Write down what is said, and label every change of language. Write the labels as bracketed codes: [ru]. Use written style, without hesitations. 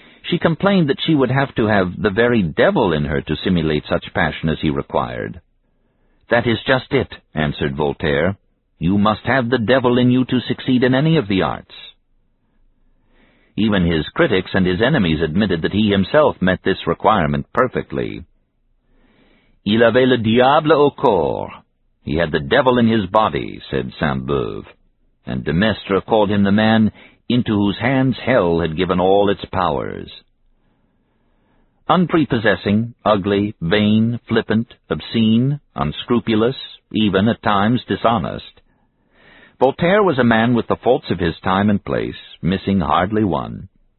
[en] She complained that she would have to have the very devil in her to simulate such passion as he required. "That is just it," answered Voltaire. "You must have the devil in you to succeed in any of the arts." Even his critics and his enemies admitted that he himself met this requirement perfectly. [fr] "Il avait le diable au corps." [en] "He had the devil in his body," said Sainte-Beuve, and de Maistre called him the man into whose hands hell had given all its powers. Unprepossessing, ugly, vain, flippant, obscene, unscrupulous, even at times dishonest, Voltaire was a man with the faults of his time and place, missing hardly one.